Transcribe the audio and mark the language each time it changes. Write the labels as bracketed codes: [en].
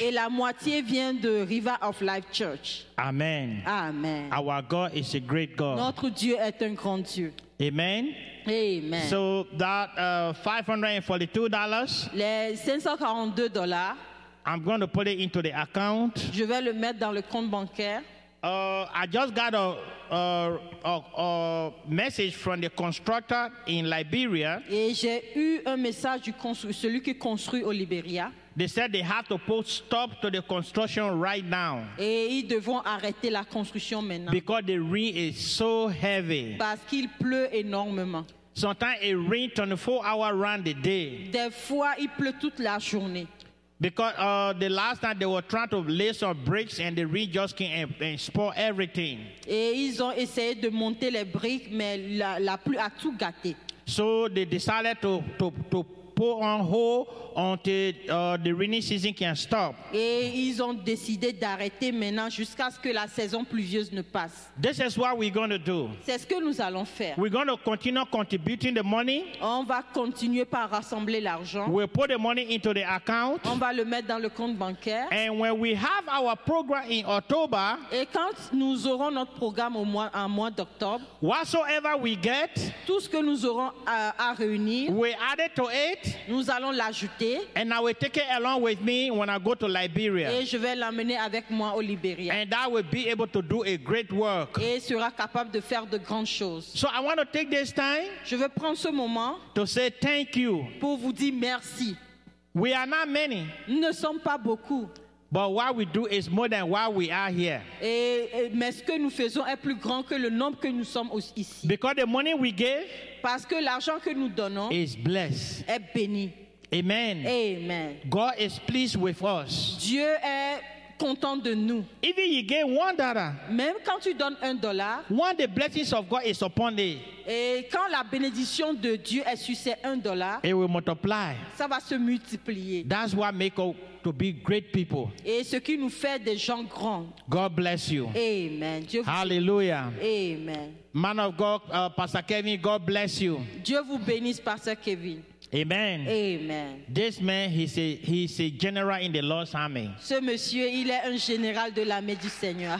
[fr] Et la moitié vient de River of Life Church. Amen. Amen. [en] Our God is a great God. [fr] Notre Dieu est un grand Dieu. Amen. Amen. [en] So that $542. [fr] Les $542. [en] I'm going to put it into the account. [fr] Je vais le mettre dans le compte bancaire. [en] I just got a message from the constructor in Liberia. [fr] Et j'ai eu un message du celui qui construit au Liberia. [en] They said they have to put stop to the construction right now. [fr] Et ils devront arrêter la construction maintenant. [en] Because the rain is so heavy. [fr] Parce qu'il pleut énormément. [en] Sometimes it rains 24 hours around the day. [fr] Des fois, il pleut toute la journée. [en] Because the last night they were trying to lay some bricks and the rain just came and spoiled everything. [fr] Et ils ont essayé de monter les briques, mais la pluie a tout gâté. [en] So they decided to put on hold until the rainy season can stop. [fr] Et ils ont décidé d'arrêter maintenant jusqu'à ce que la saison pluvieuse ne passe. [en] This is what we're going to do. [fr] C'est ce que nous allons faire. [en] We're going to continue contributing the money. [fr] On va continuer par rassembler l'argent. [en] We'll put the money into the account. [fr] On va le mettre dans le compte bancaire. [en] And when we have our program in October, [fr] et quand nous aurons notre programme au mois, en mois d'octobre, [en] whatsoever we get, [fr] tout ce que nous aurons à réunir, [en] we add it to it, [fr] nous allons l'ajouter. [en] And I will take it along with me when I go to Liberia. [fr] Et je vais l'emmener avec moi au Liberia. [en] And that will be able to do a great work. [fr] Et sera capable de faire de grandes choses. [en] So I want to take this time, [fr] je vais prendre ce moment, [en] to say thank you, [fr] pour vous dire merci. [en] We are not many. [fr] Nous ne sommes pas beaucoup. [en] But what we do is more than what we are here. [fr] Mais ce que nous faisons est plus grand que le nombre que nous sommes ici. [en] Because the money we give, [fr] parce que l'argent que nous donnons, [en] is blessed, [fr] est béni. Amen. Amen. [en] God is pleased with us. [fr] Dieu est content de nous. [en] Even you gain $1, [fr] même quand tu donnes un dollar, [en] one the blessings of God is upon thee. [fr] Et quand la bénédiction de Dieu est sur ces $1, [en] it will multiply. [fr] Ça va se multiplier. [en] That's what make us to be great people. [fr] Et ce qui nous fait des gens grands. [en] God bless you. [fr] Amen. Dieu vous... Hallelujah. Amen. [en] Man of God, Pastor Kevin, God bless you. [fr] Dieu vous bénisse, Pastor Kevin. Amen. Amen. [en] This man, he's a general in the Lord's army. [fr] Ce monsieur, il est un général de l'armée du Seigneur.